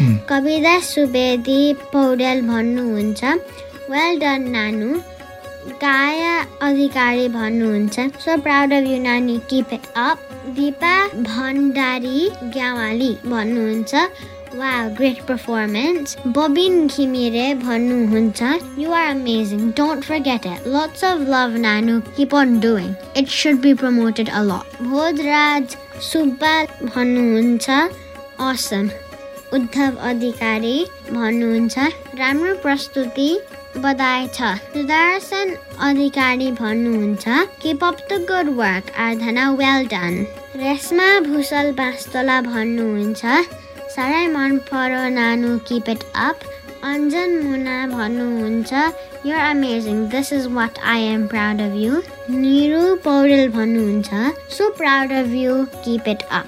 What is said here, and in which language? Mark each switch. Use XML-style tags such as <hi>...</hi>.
<ne>कविता सुवेदी पौडेल भन्नुहुन्छ, well done नानु।</ne> <en>गाया अधिकारी भन्नुहुन्छ, so proud of you नानी keep it up. Dipa Bhandari Gyawali भन्नुहुन्छ, Wow, great performance. Bobin Khimire bhannu huncha, you are amazing, don't forget it. Lots of love, Nanu, keep on doing. It should be promoted a lot. Bhodraj Subba bhannu huncha, awesome.</en> <ne>Uddhav Adhikari bhannu huncha, Ramro Prastuti badai cha.</ne> <en>Sudarshan Adhikari bhannu huncha, keep up the good work, Aardhana, well done.</en> <ne>Resma Bhusal Bastola bhannu huncha, साह्रै मन परो नानु keep it up.</ne> <en>अञ्जन मुना भन्नुहुन्छ, you're amazing, this is what I am proud of you. Niru Poudel भन्नुहुन्छ, so proud of you, keep it up.</en>